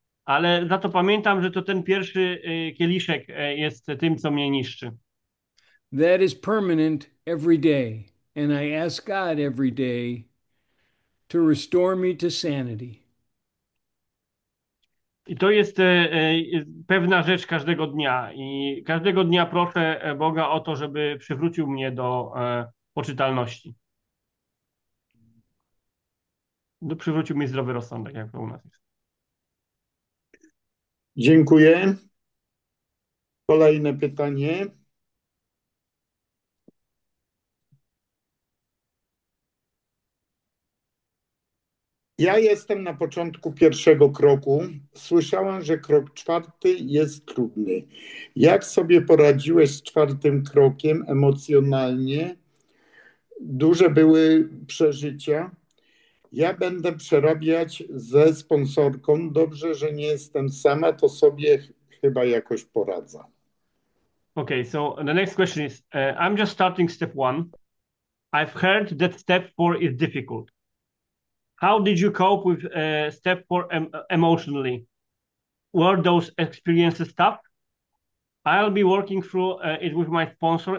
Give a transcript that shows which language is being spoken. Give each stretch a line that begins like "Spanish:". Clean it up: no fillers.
Polish: Ale za to pamiętam, że to ten pierwszy kieliszek jest tym, co mnie niszczy.
English: That is permanent every day, and I ask God every day to restore me to sanity.
Polish: I to jest pewna rzecz każdego dnia. I każdego dnia proszę Boga o to, żeby przywrócił mnie do poczytalności. No, przywrócił mi zdrowy rozsądek, jak to u nas jest. Dziękuję. Kolejne pytanie. Ja jestem na początku pierwszego kroku. Słyszałam, że krok czwarty jest trudny. Jak sobie poradziłeś z czwartym krokiem emocjonalnie? Duże były przeżycia. Ja będę przerabiać ze sponsorką. Dobrze, że nie jestem sama, to sobie chyba jakoś poradzę.
English: Okay, so the next question is, I'm just starting step one. I've heard that step four is difficult. How did you cope with step four emotionally? Were those experiences tough? I'll be working through it with my sponsor.